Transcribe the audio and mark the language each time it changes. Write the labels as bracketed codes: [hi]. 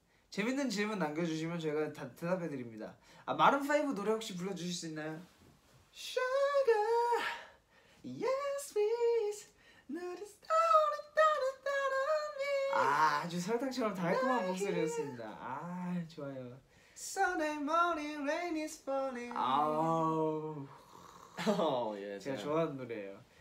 [ko] 재밌는 질문 남겨주시면 저희가 다 대답해드립니다. 아, 마룬 5 노래 혹시 불러주실 수 있나요? [en] Sugar, yes please, [ko] 너를 따라 따라 따라 [en] me. [ko] 아, 아주 설탕처럼 달콤한 목소리였습니다. 아, 좋아요. [en] Sunday morning, rain is falling. [ko] 아우, 예, 제가 좋아하는 노래예요.